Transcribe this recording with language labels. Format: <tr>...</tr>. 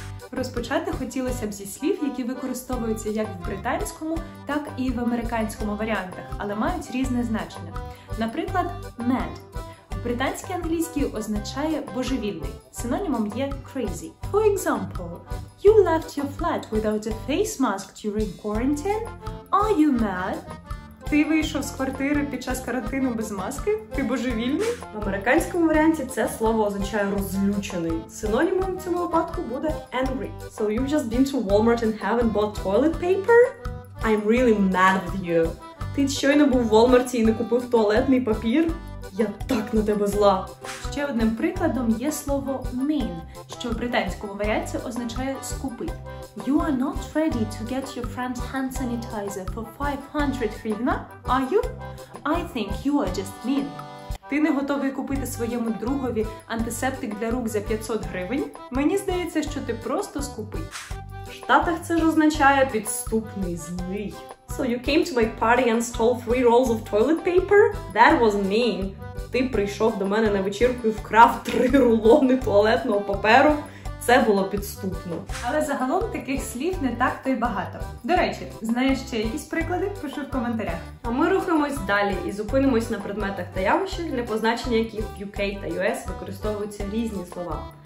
<uk>Розпочати хотілося б зі слів, які використовуються як в британському, так і в американському варіантах, але мають різне значення. Наприклад, mad. В британській англійській означає божевільний. Синонімом є crazy.</uk> <en>For example, you left your flat without a face mask during quarantine? Are you mad?</en> <uk>Ти вийшов з квартири під час карантину без маски? Ти божевільний? В американському варіанті це слово означає розлючений. Синонімом цього випадку буде angry.</uk> <en>So you've just been to Walmart and haven't bought toilet paper? I'm really mad with you.</en> <uk>Ти щойно був в Walmart'і і не купив туалетний папір? Я так на тебе зла! Ще одним прикладом є слово mean, що в британському варіанті означає скупий.</uk> <en>You are not ready to get your friend's hand sanitizer for 500 hryvnia, are you? I think you are just mean.</en> <uk>Ти не готовий купити своєму другові антисептик для рук за 500 гривень? Мені здається, що ти просто скупий. В Штатах це ж означає підступний, злий.</uk> <en>So you came to my party and stole 3 rolls of toilet paper? That was mean.</en> <uk>Ти прийшов до мене на вечірку і вкрав 3 рулони туалетного паперу? Це було підступно. Але загалом таких слів не так то й багато. До речі, знаєш ще якісь приклади? Пиши в коментарях. А ми рухаємось далі і зупинимось на предметах та явищах, для позначення яких в UK та US використовуються різні слова.</uk>